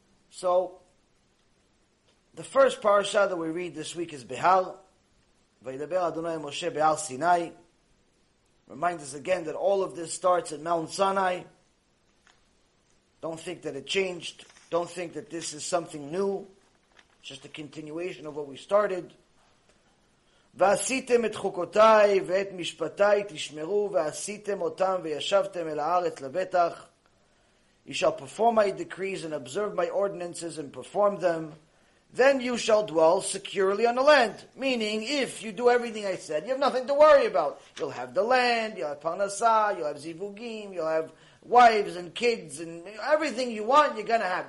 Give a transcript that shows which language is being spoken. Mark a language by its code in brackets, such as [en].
[en] So, the first parasha that we read this week is Behal. [he] Vayidaber Adonai Moshe Behal Sinai. [en] Reminds us again that all of this starts at Mount Sinai. Don't think that it changed. Don't think that this is something new. It's just a continuation of what we started. [he] ועשיתם את חוקותיי ואת משפטיי תשמרו ועשיתם אותם וישבתם אל הארץ לבטח. [en] You shall perform my decrees and observe my ordinances and perform them. Then you shall dwell securely on the land. Meaning, if you do everything I said, you have nothing to worry about. You'll have the land, you'll have parnasah, you'll have zivugim, you'll have wives and kids and everything you want you're going to have.